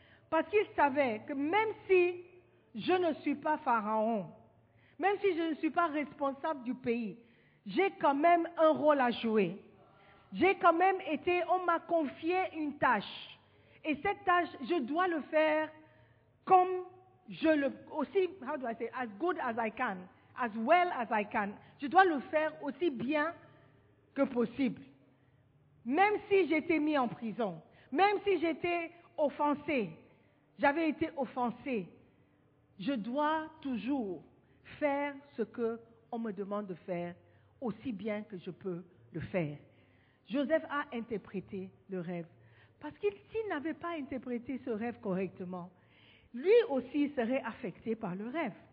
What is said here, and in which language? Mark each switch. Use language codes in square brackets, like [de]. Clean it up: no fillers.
[fr] Parce qu'il savait que même si je ne suis pas Pharaon, même si je ne suis pas responsable du pays, j'ai quand même un rôle à jouer. On m'a confié une tâche. Et cette tâche, je dois le faire comme je le... [en] aussi, how do I say, as good as I can, as well as I can. [fr] Je dois le faire aussi bien que possible. Même si j'étais mis en prison, même si j'étais offensé, j'avais été offensé, je dois toujours faire ce que on me demande de faire aussi bien que je peux le faire. Joseph a interprété le rêve. Parce que s'il n'avait pas interprété ce rêve correctement, lui aussi serait affecté par le rêve.